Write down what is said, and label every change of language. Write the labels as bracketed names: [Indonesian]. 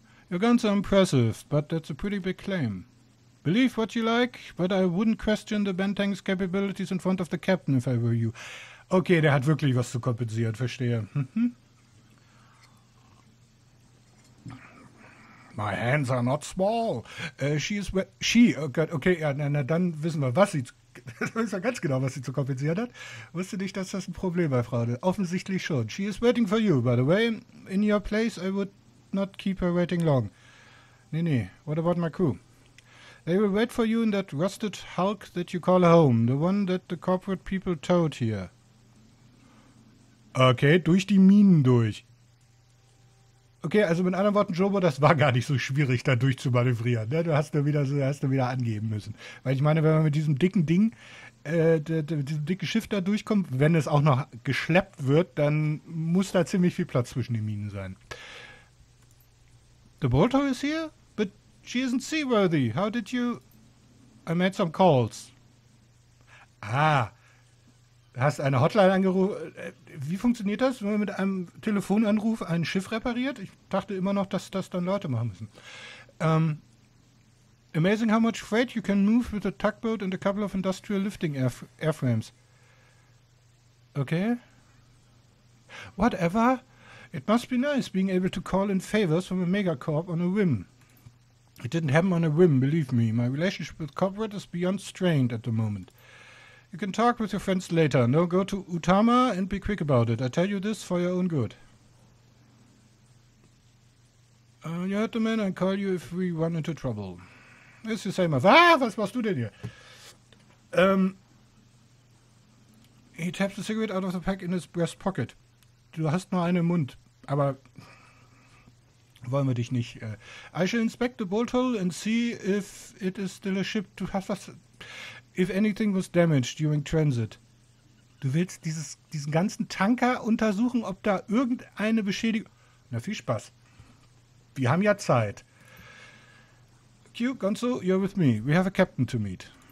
[English] You're ganz so impressive, but that's a pretty big claim. Believe what you like, but I wouldn't question the Bentang's capabilities in front of the captain if I were you. [German] Okay, der hat wirklich was zu kompensieren, verstehe. [English] My hands are not small. She is well. She, [German] oh Gott, okay, ja, na, dann wissen wir, was sie. Das ist ja ganz genau, was sie zu kompensieren hat. Wusste nicht, dass das ein Problem war, Frau. Offensichtlich schon. [English] She is waiting for you, by the way. In your place, I would not keep her waiting long. [German] Nee, nee. [English] What about my crew? They will wait for you in that rusted hulk that you call a home, the one that the corporate people towed here. [German] Okay, durch die Minen durch. Okay, also mit anderen Worten, Jobo, das war gar nicht so schwierig, da durchzumanövrieren. Ne? Du hast nur wieder angeben müssen. Weil ich meine, wenn man mit diesem dicken Ding, mit diesem dicken Schiff da durchkommt, wenn es auch noch geschleppt wird, dann muss da ziemlich viel Platz zwischen den Minen sein. [English] The Bolter is here? She isn't seaworthy. How did you? I made some calls. [German] Ah, hast eine Hotline angerufen? Wie funktioniert das, wenn man mit einem Telefonanruf ein Schiff repariert? Ich dachte immer noch, dass das dann Leute machen müssen. [English] Amazing how much freight you can move with a tugboat and a couple of industrial lifting airframes. Okay. Whatever. It must be nice being able to call in favors from a megacorp on a whim. It didn't happen on a whim, believe me. My relationship with corporate is beyond strained at the moment. You can talk with your friends later. No, go to Utama and be quick about it. I tell you this for your own good. You heard the man, I'll call you if we run into trouble. It's the same. [German] Was machst du denn hier? [English] He taps a cigarette out of the pack in his breast pocket. [German] Du hast nur einen im Mund, aber. Wollen wir dich nicht. [English] I shall inspect the bolt hole and see if it is still a ship. [German] Du hast was. [English] If anything was damaged during transit. [German] Du willst diesen ganzen Tanker untersuchen, ob da irgendeine Beschädigung. Na, viel Spaß. Wir haben ja Zeit. [English] Q, Gonzo, you're with me. We have a captain to meet.